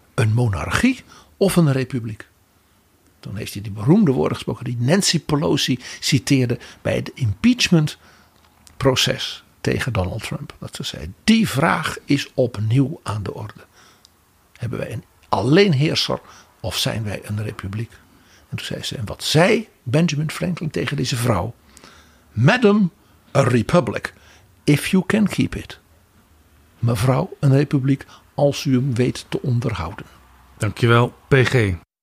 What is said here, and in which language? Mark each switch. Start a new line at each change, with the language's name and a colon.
Dutch: Een monarchie of een republiek? Toen heeft hij die beroemde woorden gesproken die Nancy Pelosi citeerde bij het impeachmentproces tegen Donald Trump. Dat ze zei: die vraag is opnieuw aan de orde. Hebben wij een alleenheerser of zijn wij een republiek? En toen zei ze, en wat zei Benjamin Franklin tegen deze vrouw?
English: Madam, a republic, if you can keep it.
Dutch: Mevrouw, een republiek, als u hem weet te onderhouden. Dankjewel, PG.